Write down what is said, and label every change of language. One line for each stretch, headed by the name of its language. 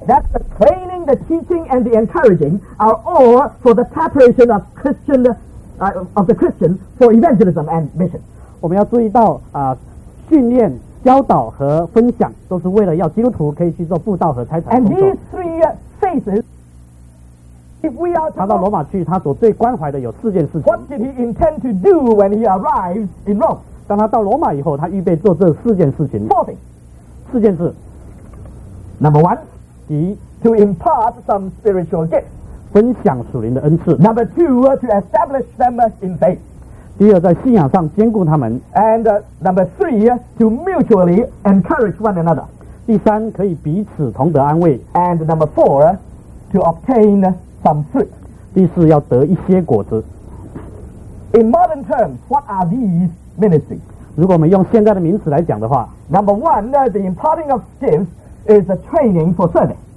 English: ，that the training, the teaching, and the encouraging are all for the preparation of Christian. Of the Christian for evangelism and mission.
Chinese: 我们要注意到、训练、教导和分享都是为了要基督徒可以去做布道和差传工作。
English: And these three phases, if we are
Chinese: 他到罗马去，他所最关怀的有四件事情。
English: What did he intend to do when he arrives in Rome?
Chinese: 当他到罗马以后，他预备做这四件事情。
English: Fourthly,
Chinese: 四件事。
English: Number one,
Chinese: 第一
English: to impart some spiritual gifts.
Chinese: 分享属灵的恩赐。
English: Number two, to establish them in faith.
Chinese: 第二，在信仰上坚固他们。
English: And number three, to mutually encourage one another.
Chinese: 第三，可以彼此同得安慰。
English: And number four, to obtain some fruit.
Chinese: 第四，要得一些果子。
English: In modern terms, what are these ministries?
Chinese: 如果我们用现在的名词来讲的话，
English: Number one, the imparting of gifts is a training for serving.